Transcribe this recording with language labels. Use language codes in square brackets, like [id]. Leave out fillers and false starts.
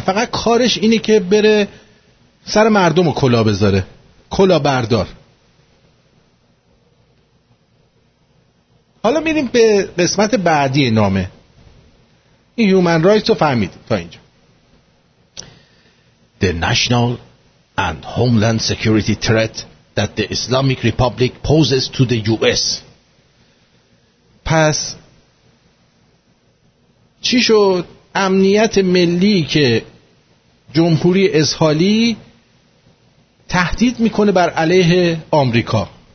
[fa] فقط کارش اینه که بره سر مردم رو کلا بذاره، کلا بردار. حالا میریم به قسمت بعدی نامه. این هیومن رایتس رو فهمید تا اینجا. [en] The national and homeland security threat that the Islamic Republic poses to the US. [fa] پس چی شد؟ امنیت ملی که جمهوری اسلامی تهدید میکنه بر علیه آمریکا.